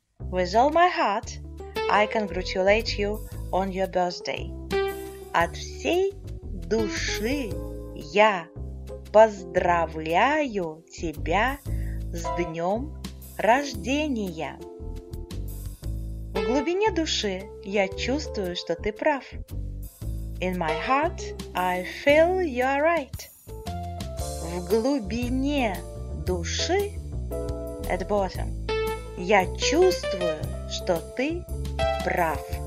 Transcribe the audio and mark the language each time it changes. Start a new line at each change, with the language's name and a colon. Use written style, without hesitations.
English: With all my heart, I congratulate you on your birthday.
Russian: От всей души я поздравляю тебя с днем рождения. В глубине души я чувствую, что ты прав.
English: In my heart, I feel you are right.
Russian: В глубине души,
English: at bottom,
Russian: я чувствую, что ты прав.